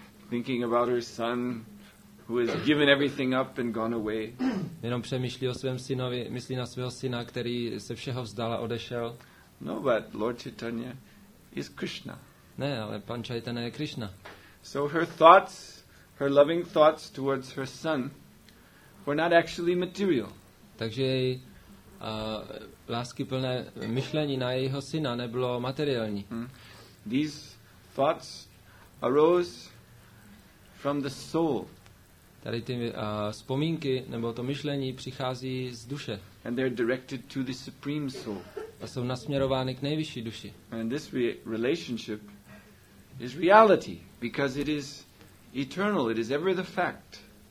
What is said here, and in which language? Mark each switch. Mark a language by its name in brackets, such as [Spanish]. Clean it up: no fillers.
[English] Thinking about her son who has given everything up and gone away. [Czech] Jenom přemýšlí o svém synovi, myslí na svého syna, který se všeho vzdal a odešel. [English] No, but Lord Chaitanya is Krishna. [Czech] Ne, ale pan Chaitanya je Krishna. [English] So her thoughts, her loving thoughts towards her son were not actually material. [Czech] Takže její láskyplné myšlení na jejího syna nebylo materiální. Mm. [English] These thoughts arose from the soul. [Czech] Tady ty vzpomínky nebo to myšlení přichází z duše. [English] And they're directed to the supreme soul. [Czech] A jsou nasměrovány k nejvyšší duši. [English] And this relationship is reality because it is eternal, it is ever the fact.